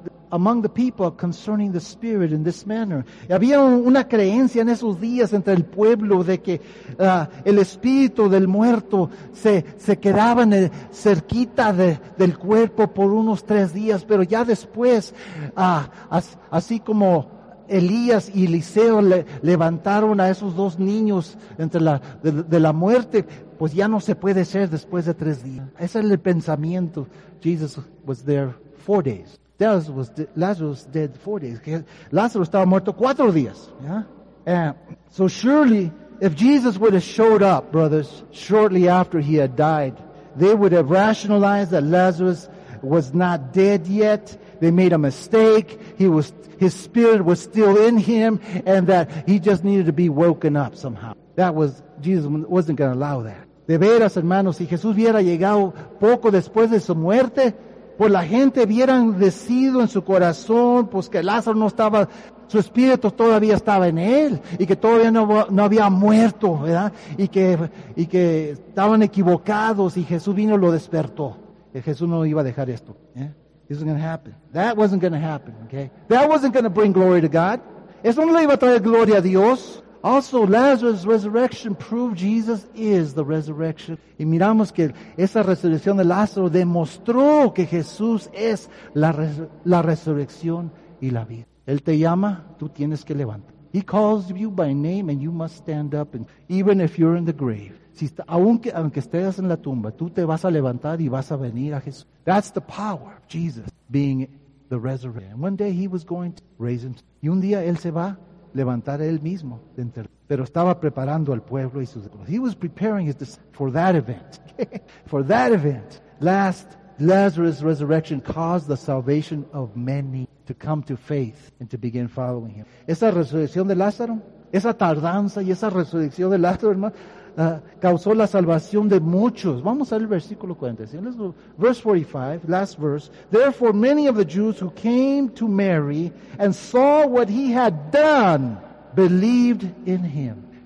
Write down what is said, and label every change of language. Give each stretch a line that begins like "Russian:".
English: among the people concerning the Spirit in this manner.
Spanish: Y había una creencia en esos días entre el pueblo de que el espíritu del muerto se quedaba en el, cerquita de, del cuerpo por unos tres días, pero ya después, así como Elías y Eliseo levantaron a esos dos niños entre la, de la muerte, pues ya no se puede ser después de tres días. Ese es el pensamiento.
English: Jesus was there 4 days. Lazarus was dead 4 days.
Spanish: Lázaro estaba muerto 4 días.
English: Yeah? So surely, if Jesus would have showed up, brothers, shortly after he had died, they would have rationalized that Lazarus was not dead yet. They made a mistake. His spirit was still in him, and that he just needed to be woken up somehow. Jesus wasn't going to allow that.
Spanish: De veras, hermanos, si Jesús hubiera llegado poco después de su muerte, pues la gente hubieran decidido en su corazón, pues que Lázaro no estaba, su espíritu todavía estaba en él, y que todavía no había muerto, ¿verdad? Y que estaban equivocados, y Jesús vino y lo despertó. Y Jesús no iba a dejar esto, ¿eh?
English: Isn't going to happen. That wasn't going to happen, okay? That wasn't going to bring glory to God.
Spanish: Eso no le iba a traer gloria a Dios.
English: Also, Lazarus' resurrection proved Jesus is the resurrection.
Spanish: Y miramos que esa resurrección de Lázaro demostró que Jesús es la resurrección y la vida. Él te llama, tú tienes que levantar.
English: He calls you by name and you must stand up, and even if you're in the grave.
Spanish: Aunque estés en la tumba, tú te vas a levantar y vas a venir a Jesús.
English: That's the power of Jesus being the resurrection. And one day he was going to raise him.
Spanish: Y un día él se va a levantar él mismo. Pero estaba preparando al pueblo y sus discípulos.
English: He was preparing his disciples for that event. For that event. Lazarus' resurrection caused the salvation of many to come to faith and to begin following him. Esa resurrección de Lázaro, esa tardanza y esa resurrección de Lázaro, hermano, causó la salvación de muchos.
Spanish: Vamos al versículo 45.
English: Verse 45, last verse. Therefore, many of the Jews who came to Mary and saw what he had done believed in him.